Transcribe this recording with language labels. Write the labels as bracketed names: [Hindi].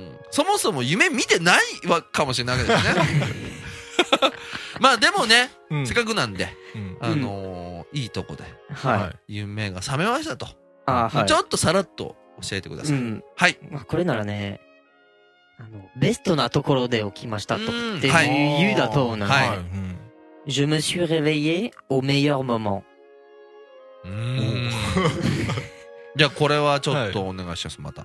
[Japanese] そもそも夢見てないわ、かもしれないですね。まあでもね、せっかくなんで、いいとこで、夢が覚めましたと。あ、はい、ちょっとさらっと教えてください。うん、はい。まあ、これならね、ベストなところで起きましたと。っていう言うだと、なんか、はい。 [French] Je me suis réveillé au meilleur moment。 [Japanese] じゃあこれはちょっとお願いします、また。